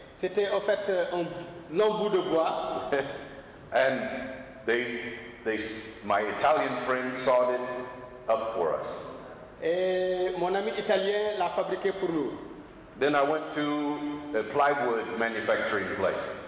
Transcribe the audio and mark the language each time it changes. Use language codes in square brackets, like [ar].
[fr] C'était en fait un long bout de bois. [en] And they, my Italian friend sawed it up for us. [fr] Et mon ami italien l'a fabriqué pour nous. [en] Then I went to a plywood manufacturing place.